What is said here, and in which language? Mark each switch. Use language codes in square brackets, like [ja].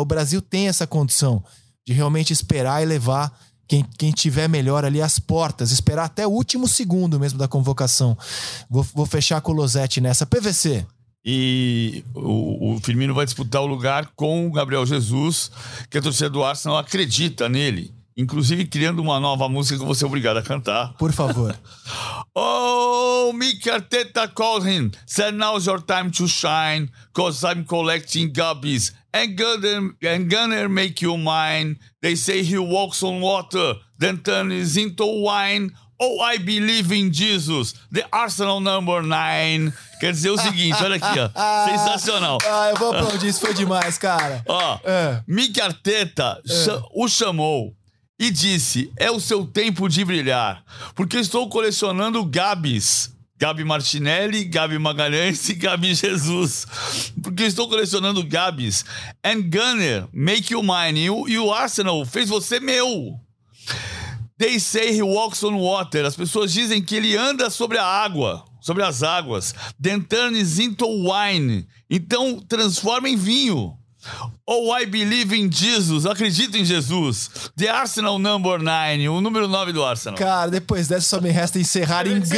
[pt] O Brasil tem essa condição de realmente esperar e levar quem tiver melhor ali às portas, esperar até o último segundo mesmo da convocação. Vou fechar com o Lozete nessa. PVC. E o Firmino vai disputar o lugar com o Gabriel Jesus, que a torcida do Arsenal acredita nele. Inclusive criando uma nova música que eu vou ser obrigado a cantar. Por favor. [en] Oh, Mikel Arteta calling, said now's your time to shine, cause I'm collecting guppies, and gonna make you mine. They say he walks on water, then turns into wine. Oh, I believe in Jesus, the Arsenal number 9. [pt] Quer dizer o seguinte, olha aqui, ó. Sensacional. Ah, eu vou aplaudir, isso foi demais, cara. Ó, Mikel Arteta o chamou e disse: é o seu tempo de brilhar, porque estou colecionando Gabis. Gabi Martinelli, Gabi Magalhães e Gabi Jesus. Porque estou colecionando Gabis. [en] And Gunner, make you mine. [pt] E o Arsenal fez você meu. [en] They say he walks on water. [pt] As pessoas dizem que ele anda sobre a água, sobre as águas. [en] Then turns into wine. [pt] Então transforma em vinho. [en] Oh, I believe in Jesus. [pt] Acredito em Jesus. [en] The Arsenal number 9, [pt] o número 9 do Arsenal. Cara, depois dessa só me resta encerrar em...